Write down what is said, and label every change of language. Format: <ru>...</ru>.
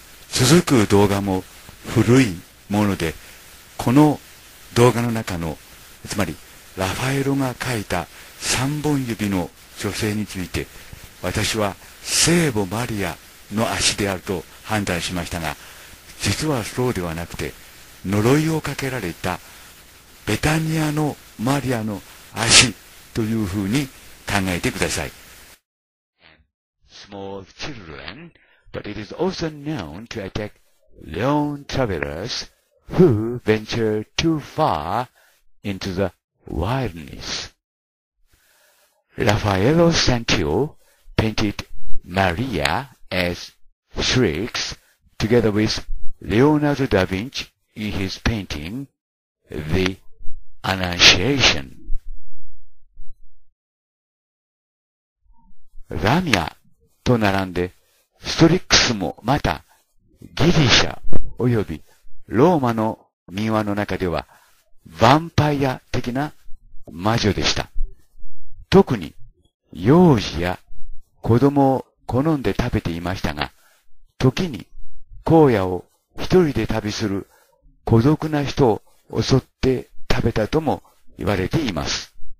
<ja>続く動画も古いもので、この動画の中の、つまりラファエロが描いた三本指の女性について、私は聖母マリアの足であると判断しましたが、実はそうではなくて、呪いをかけられたベタニアのマリアの足というふうに解考えてください。</ja> <en>Small children, but it is also known to attack lone travelers who venture too far into the wilderness. Raffaello Santio painted Maria as Shrieks together with Leonardo da Vinci in his painting The Annunciation.</en> <ja>ラミアと並んで、ストリックスもまた、ギリシャ及びローマの民話の中では、ヴァンパイア的な魔女でした。特に、幼児や子供を好んで食べていましたが、時に荒野を一人で旅する孤独な人を襲って食べたとも言われています。</ja>